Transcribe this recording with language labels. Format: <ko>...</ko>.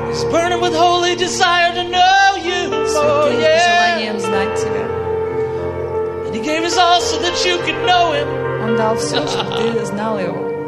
<en>He's burning with holy desire to know you.</en> <ru>Святым желанием знать тебя.</ru> <en>And he gave his all so that you could know him.</en> <ru>Он дал все, чтобы ты знал его.</ru>